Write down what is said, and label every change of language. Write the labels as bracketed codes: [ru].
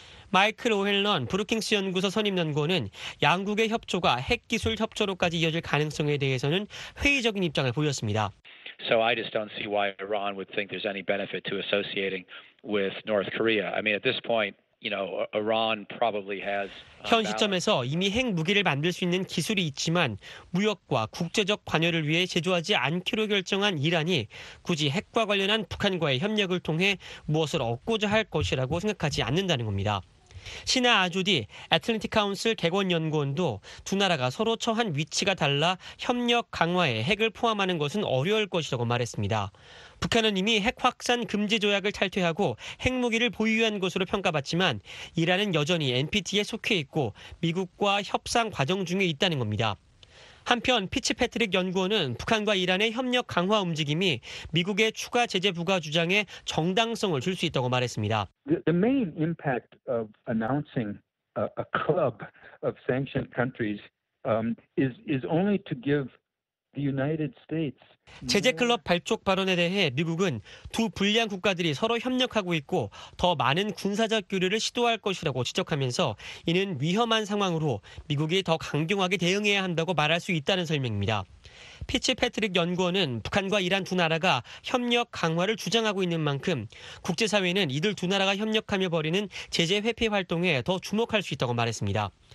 [ko] 마이클 오헬런 브루킹스 연구소 선임연구원은 양국의 협조가 핵기술 협조로까지 이어질 가능성에 대해서는 회의적인 입장을 보였습니다. [en] So I just don't see why Iran would think there's any benefit to associating with North Korea. I mean, at this point, you know, Iran probably has. [ko] 현 시점에서 이미 핵 무기를 만들 수 있는 기술이 있지만 무역과 국제적 관여를 위해 제조하지 않기로 결정한 이란이 굳이 핵과 관련한 북한과의 협력을 통해 무엇을 얻고자 할 것이라고 생각하지 않는다는 겁니다. 신하 아주디 애틀랜틱 카운슬 개원 연구원도 두 나라가 서로 처한 위치가 달라 협력 강화에 핵을 포함하는 것은 어려울 것이라고 말했습니다. 북한은 이미 핵 확산 금지 조약을 탈퇴하고 핵무기를 보유한 것으로 평가받지만 이란은 여전히 NPT에 속해 있고 미국과 협상 과정 중에 있다는 겁니다. 한편 피츠패트릭 연구원은 북한과 이란의 협력 강화 움직임이 미국의 추가 제재 부과 주장에 정당성을 줄 수 있다고 말했습니다. [en] The main impact of announcing a club of sanctioned countries is only to give the United States [ko] 제재 클럽 발족 발언에 대해 미국은 두 불리한 국가들이 서로 협력하고 있고 더 많은 군사적 교류를 시도할 것이라고 지적하면서 이는 위험한 상황으로 미국이 더 강경하게 대응해야 한다고 말할 수 있다는 설명입니다. 피츠패트릭 연구원은 북한과 이란 두 나라가 협력 강화를 주장하고 있는 만큼 국제사회는 이들 두 나라가 협력하며 벌이는 제재 회피 활동에 더 주목할 수 있다고 말했습니다.